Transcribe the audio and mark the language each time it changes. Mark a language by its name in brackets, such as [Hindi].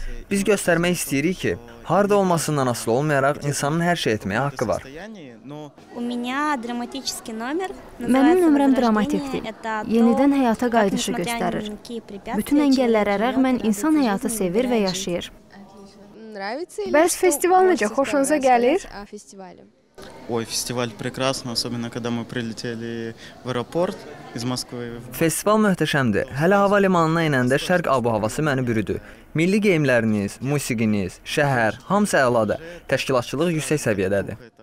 [Azerbaijani] Без göstermek istəyirik ki, harda olmasından asılı olmayaraq insanın hər şey etməyə haqqı var. [Russian] У меня драматический номер. [Azerbaijani] Mənim nömrəm dramatikdir. Yenidən həyata qayıdışı göstərir. Bütün əngəllərə rəğmən insan həyatı sevir və yaşayır. Bəs festival necə? Xoşunuza gəlir? [Russian] Ой, фестиваль прекрасный, особенно когда мы прилетели в аэропорт из Москвы. [Azerbaijani] Festival möhtəşəmdir. Hələ hava limanına inəndə şərq abu havası məni bürüdü. Milli geyimləriniz, musiqiniz, şəhər, hamısı əladır. Təşkilatçılıq yüksək səviyyədədir.